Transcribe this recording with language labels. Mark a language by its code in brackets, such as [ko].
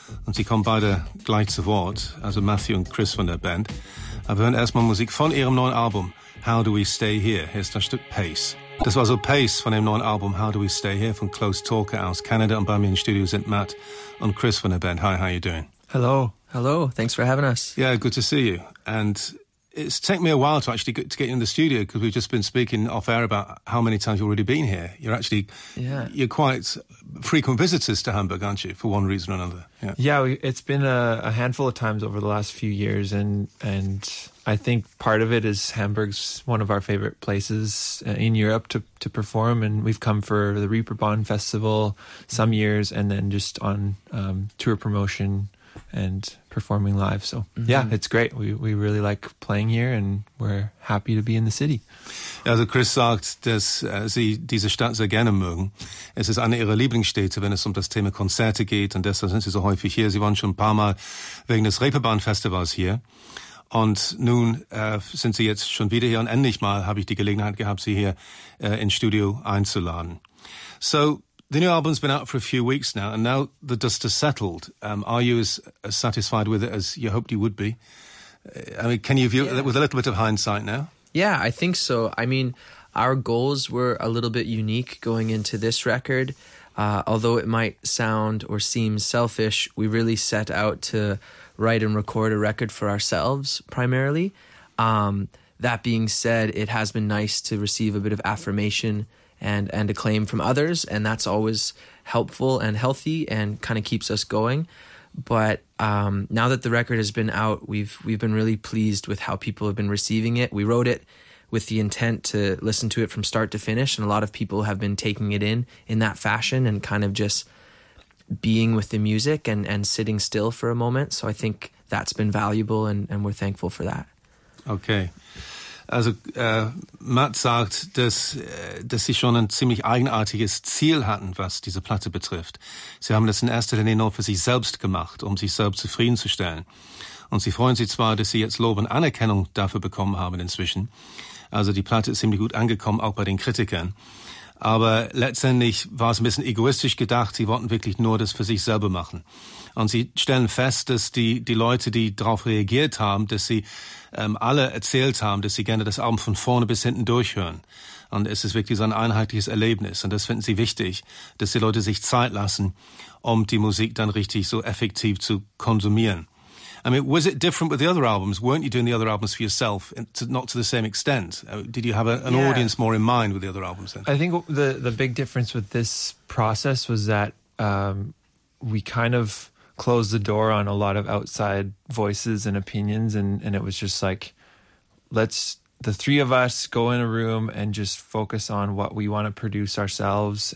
[de] Und sie kommen beide gleich zu Wort, also Matthew und Chris von der Band. Aber wir hören erstmal Musik von ihrem neuen Album, How Do We Stay Here? Hier ist das Stück Pace. Das war so Pace von dem neuen Album How Do We Stay Here von Close Talker aus Kanada. Und bei mir im Studio sind Matt und Chris von der Band. [en] Hi, how are you doing? Hello. Hello. Thanks for having us. Yeah, good to see you. And it's taken me a while to actually get you in the studio because we've just been speaking off air about how many times you've already been here. You're actually, you're quite frequent visitors to Hamburg, aren't you, for one reason or another? Yeah, it's been a handful of times over the last few years. And I think part of it is Hamburg's one of our favorite places in Europe to perform. And we've come for the Reeperbahn Festival some years and then just on tour promotion and performing live. So yeah, it's great. We really like playing here and we're happy to be in the city. [de] Also Chris sagt, dass sie diese Stadt sehr gerne mögen. Es ist eine ihrer Lieblingsstädte, wenn es um das Thema Konzerte geht und deshalb sind sie so häufig hier. Sie waren schon ein paar Mal wegen des Reeperbahn-Festivals hier und nun sind sie jetzt schon wieder hier und endlich mal habe ich die Gelegenheit gehabt, sie hier ins Studio einzuladen. [en] So, the new album's been out for a few weeks now, and now the dust has settled. Are you as satisfied with it as you hoped you would be? I mean, can you view it with a little bit of hindsight now? Yeah, I think so. I mean, our goals were a little bit unique going into this record. Although it might sound or seem selfish, we really set out to write and record a record for ourselves, primarily. That being said, it has been nice to receive a bit of affirmation and acclaim from others, and that's always helpful and healthy and kind of keeps us going. But now that the record has been out, we've been really pleased with how people have been receiving it. We wrote it with the intent to listen to it from start to finish, and a lot of people have been taking it in that fashion and kind of just being with the music and sitting still for a moment. So I think that's been valuable, and we're thankful for that. Okay. [de] Also Matt sagt, dass sie schon ein ziemlich eigenartiges Ziel hatten, was diese Platte betrifft. Sie haben das in erster Linie nur für sich selbst gemacht, um sich selbst zufriedenzustellen. Und sie freuen sich zwar, dass sie jetzt Lob und Anerkennung dafür bekommen haben inzwischen. Also die Platte ist ziemlich gut angekommen, auch bei den Kritikern. Aber letztendlich war es ein bisschen egoistisch gedacht. Sie wollten wirklich nur das für sich selber machen. Und sie stellen fest, dass die Leute, die darauf reagiert haben, dass sie alle erzählt haben, dass sie gerne das Album von vorne bis hinten durchhören. Und es ist wirklich so ein einheitliches Erlebnis. Und das finden sie wichtig, dass die Leute sich Zeit lassen, um die Musik dann richtig so effektiv zu konsumieren. [en] I mean, was it different with the other albums? Weren't you doing the other albums for yourself, not to the same extent? Did you have an audience more in mind with the other albums then? I think the big difference with this process was that we kind of closed the door on a lot of outside voices and opinions, and it was just like, let's, the three of us, go in a room and just focus on what we want to produce ourselves.